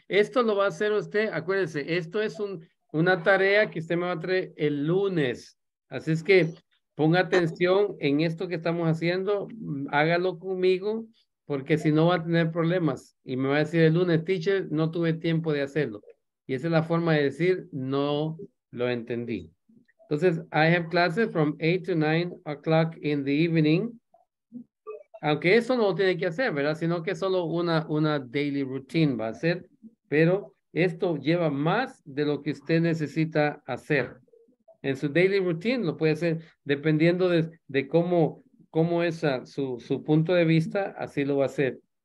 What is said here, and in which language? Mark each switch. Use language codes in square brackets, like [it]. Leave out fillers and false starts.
[es] Esto lo va a hacer usted, acuérdese, esto es una tarea que usted me va a traer el lunes. Así es que ponga atención en esto que estamos haciendo, hágalo conmigo, porque si no va a tener problemas. Y me va a decir el lunes, teacher, no tuve tiempo de hacerlo. Y esa es la forma de decir, no lo entendí. [en] Entonces, I have classes from 8 to 9 o'clock in the evening. [es] Aunque eso no lo tiene que hacer, ¿verdad? Sino que solo una daily routine va a ser. Pero esto lleva más de lo que usted necesita hacer. En su daily routine lo puede hacer dependiendo de cómo es su punto de vista, así lo va a hacer.